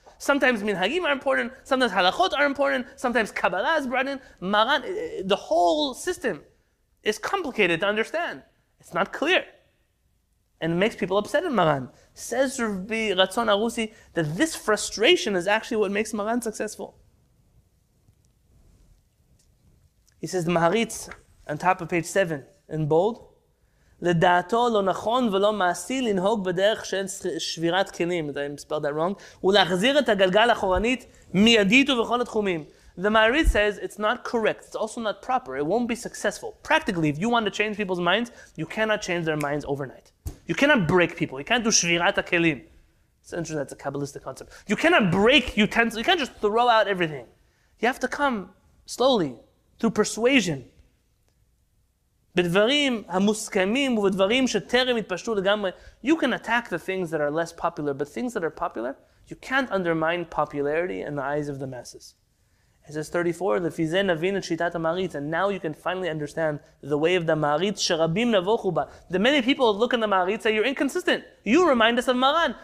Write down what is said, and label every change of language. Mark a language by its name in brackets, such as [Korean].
[English] Sometimes minhagim are important, sometimes halachot are important, sometimes Kabbalah is brought in. Maran, the whole system is complicated to understand. It's not clear. And it makes people upset in Maran. Says Rabbi Ratzon Arusi that this frustration is actually what makes Maran successful. He says the Maharitz, on top of page 7, in bold, [Hebrew] לדעתו לא נכון ולא מעשי לנהוג בדרך של שבירת כלים, [English] if I spelled that wrong, [Hebrew] ולהחזיר את הגלגל אחורנית מיידית ובכל התחומים. [English] The Maharitz says it's not correct, it's also not proper, it won't be successful. Practically, if you want to change people's minds, you cannot change their minds overnight. You cannot break people, you can't do שבירת הכלים. It's interesting, that's a Kabbalistic concept. You cannot break utensils, you can't just throw out everything. You have to come slowly, through persuasion. [Hebrew] בדברים המוסכמים ובדברים שטרם התפשטו לגמרי. [English] You can attack the things that are less popular, but things that are popular, you can't undermine popularity in the eyes of the masses. It says 34, [Hebrew] לפי זה נבין את שיטת המעריץ, [English] and now you can finally understand the way of the מעריץ [Hebrew] שרבים נבוכו בה. [English] The many people look in the מעריץ say, you're inconsistent. You remind us of Maran.